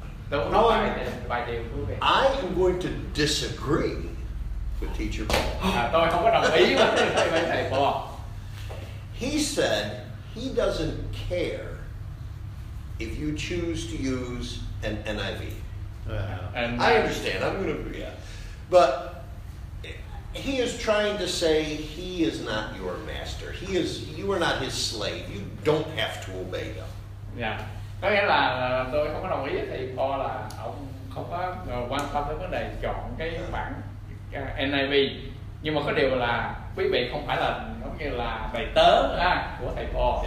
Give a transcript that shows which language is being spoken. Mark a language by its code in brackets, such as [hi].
[en] I am going to disagree with Teacher Paul. [vi] Tôi không có đồng ý với thầy Paul. [en] He said he doesn't care if you choose to use an NIV. I understand. I'm going to agree. Yeah. But he is trying to say he is not your master. You are not his slave. You don't have to obey him. Yeah. [vi] Có nghĩa là tôi không có đồng ý với thầy Paul là ông không có quan tâm tới vấn đề chọn cái bản NIV. Nhưng mà có điều là quý vị không phải là giống như là bài tớ của thầy Paul.